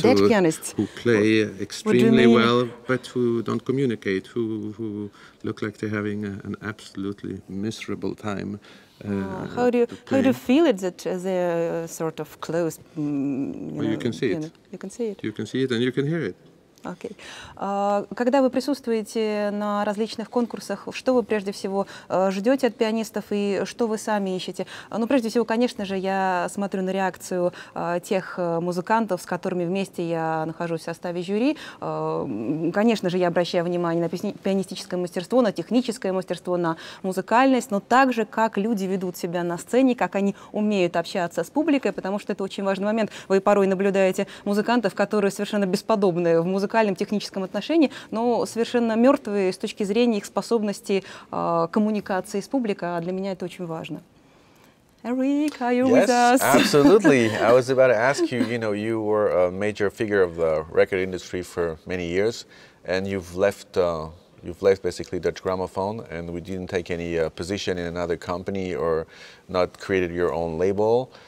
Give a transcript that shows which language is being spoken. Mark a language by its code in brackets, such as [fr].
[en] Who play extremely well, but who don't communicate, who look like they're having an absolutely miserable time. How do you feel it that they're sort of closed? You can see it and you can hear it. [ru] Окей. Когда вы присутствуете на различных конкурсах, что вы прежде всего ждете от пианистов и что вы сами ищете? Ну, прежде всего, конечно же, я смотрю на реакцию тех музыкантов, с которыми вместе я нахожусь в составе жюри. Конечно же, я обращаю внимание на пианистическое мастерство, на техническое мастерство, на музыкальность, но также, как люди ведут себя на сцене, как они умеют общаться с публикой, потому что это очень важный момент. Вы порой наблюдаете музыкантов, которые совершенно бесподобны в музыкальном, техническом отношении, но совершенно мертвые с точки зрения их способности коммуникации с публикой, а для меня это очень важно. [en] Eric, are you with us? Yes, absolutely. I was about to ask you, you know, you were a major figure of the record industry for many years, and you've left basically Dutch Gramophone, and we didn't take any position in another company or not created your own label.